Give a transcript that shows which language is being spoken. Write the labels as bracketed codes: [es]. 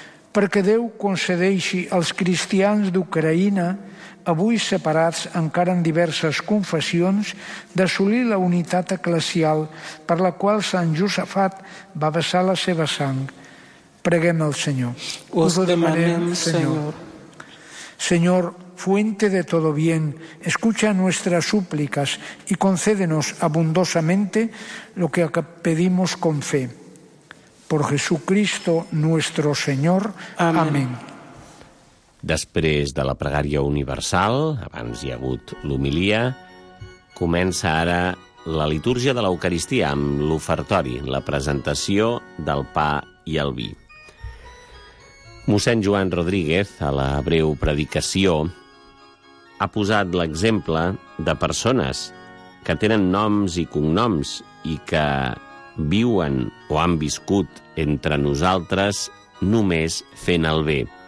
[ca] Perquè Déu concedeixi als cristians d'Ucraïna, avui separats encara en diverses confessions, d'assolir la unitat eclesial per la qual Sant Josafat va vessar la seva sang. Preguem al Senyor. Us ho demanem, Senyor. [es] Senyor, fuente de todo bien, escucha nuestras súplicas y concédenos abundosamente lo que pedimos con fe. Por Jesucristo nuestro Señor. Amén. [ca] Després de la pregària universal, abans hi ha hagut l'homilia, comença ara la litúrgia de l'Eucaristia amb l'ofertori, la presentació del pa i el vi. Mossèn Joan Rodríguez, a la breu predicació, ha posat l'exemple de persones que tenen noms i cognoms i que viuen o han viscut entre nosaltres només fent el bé.